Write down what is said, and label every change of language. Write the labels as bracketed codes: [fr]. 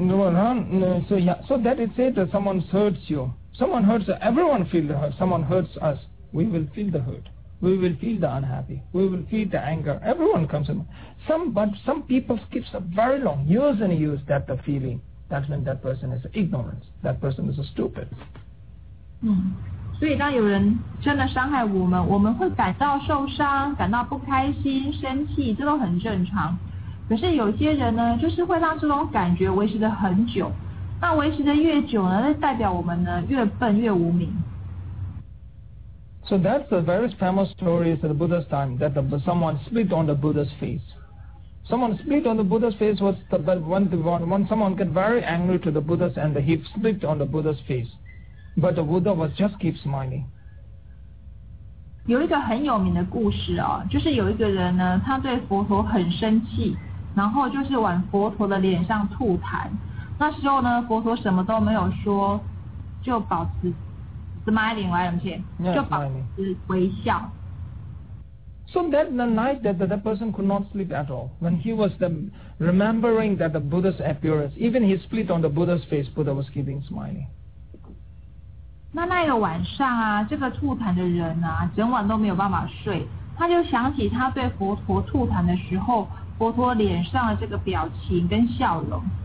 [en] So that it said that someone hurts you. Someone hurts us. Everyone feels the hurt. Someone hurts us. We will feel the hurt. We will feel the unhappy. We will feel the anger. Everyone comes in. Some people keep a very long, years and years, that the feeling. That means that person is ignorant. That person is stupid. [zh] 嗯，所以当有人真的伤害我们，我们会感到受伤，感到不开心、生气，这都很正常。可是有些人呢，就是会让这种感觉维持得很久。那维持的越久呢，那代表我们呢越笨越无明。 [en] So that's the very famous story of the Buddha's time that someone spit on the Buddha's face. Someone spit on the Buddha's face was when someone got very angry to the Buddha and he spit on the Buddha's face, but the Buddha was just keep smiling. [zh] 有一个很有名的故事啊、哦，就是有一个人呢，他对佛陀很生气，然后就是往佛陀的脸上吐痰。那时候呢，佛陀什么都没有说，就保持 [en] smiling， [zh] 来，就保持微笑。 [en] So that the night that person could not sleep at all, when he was remembering that the Buddha's appearance, even he split on the Buddha's face, Buddha was keeping smiling. [zh] 那个晚上啊，这个吐痰的人啊，整晚都没有办法睡，他就想起他对佛陀吐痰的时候，佛陀脸上的这个表情跟笑容。